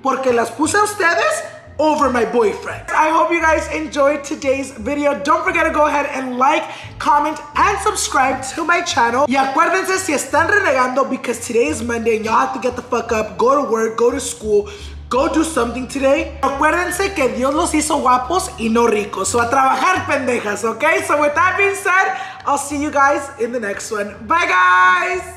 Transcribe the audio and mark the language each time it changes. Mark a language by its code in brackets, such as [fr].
[es] Porque las puse a ustedes [en] over my boyfriend. I hope you guys enjoyed today's video. Don't forget to go ahead and like, comment, and subscribe to my channel. [es] Y acuérdense, si están renegando, [en] because today is Monday and y'all have to get the fuck up, go to work, go to school, go do something today. [es] Acuérdense que Dios los hizo guapos y no ricos. [en] So [es] a trabajar, pendejas, [en] okay? So with that being said, I'll see you guys in the next one. Bye, guys!